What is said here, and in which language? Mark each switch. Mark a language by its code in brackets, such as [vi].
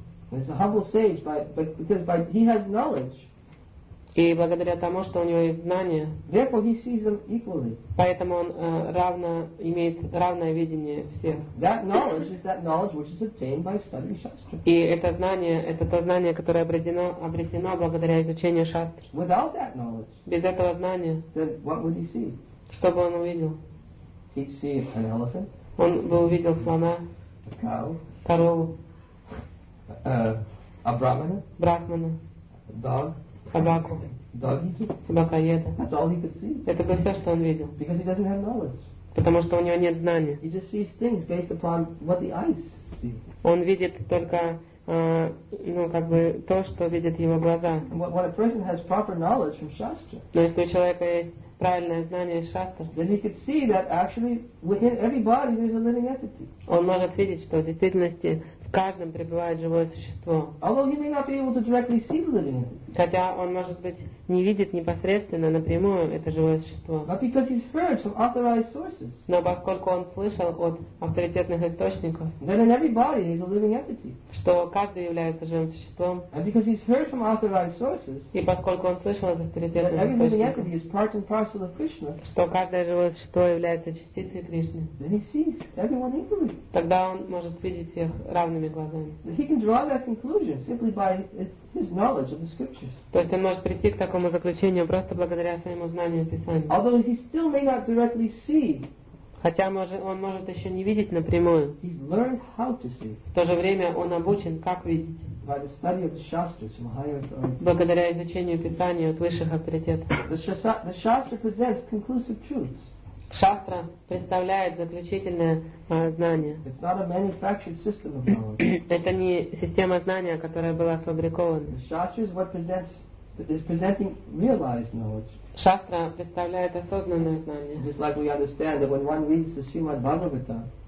[en] He's a humble sage, because he has knowledge. [ru] И благодаря тому, что у него есть знания, [en] therefore he sees them equally. [ru] Поэтому он имеет равное видение всех. [en] That knowledge is that knowledge which is obtained by studying Shastra. [ru] И это знание, это то знание, которое обретено благодаря изучению Шастры. [en] Without that knowledge, [ru] без этого знания, [en] then what would he see? [ru] Что бы он увидел? [en] He'd see an elephant. [ru] Он бы увидел слона. [en] A cow. [ru] Корову. [en] A brahmana. [ru] Брахмана. [en] A dog. [ru] Собаку. Собакоеда. [en] That's all he could see. [ru] Это было все, что он видел. [en] Because he doesn't have knowledge. [ru] Потому что у него нет знания. [en] He just sees things based upon what the eyes see. [ru] Он видит только то, что видят его глаза. [en] When a person has proper knowledge from Shastra, [ru] но если у человека есть правильное знание из Шастры, [en] then he could see that actually within every body there's a living entity. [ru] Он может видеть, что в действительности в каждом пребывает живое существо. [en] Although he may not be able to directly see the living entity. [ru] Хотя он, может быть, не видит непосредственно, напрямую это живое существо. [en] But because he's heard from authorized sources. [ru] Но поскольку он слышал от авторитетных источников, [en] then in every body he's a living entity. [ru] Что каждый является живым существом. [en] And because he's heard from authorized sources. [ru] И поскольку он слышал от авторитетных источников, [en] every living entity is part and parcel of Krishna. [ru] Что каждое живое существо является частицей Кришны. [en] Then he sees everyone equally. [ru] Тогда он может видеть всех равными глазами. [en] He can draw that conclusion simply by his knowledge of the scriptures. scriptures. [ru] То есть он может прийти к такому заключению просто благодаря своему знанию Писания. [en] Although he still may not directly see. [ru] Хотя он может еще не видеть напрямую. [en] He's learned how to see. [ru] В то же время он обучен, как видеть. [en] By the study of the shastras, from higher authorities. [ru] Благодаря изучению Писания от высших авторитетов. [en] The shastra presents conclusive truths. [ru] Шастра представляет заключительное знание. [en] It's not a manufactured system of knowledge. [ru] Это не система знания, которая была сфабрикована. [en] The shastra is what presents, is presenting realized knowledge. [ru] Шастра представляет осознанное знание. [en] Just like we understand that when one reads the Srimad Bhagavatam.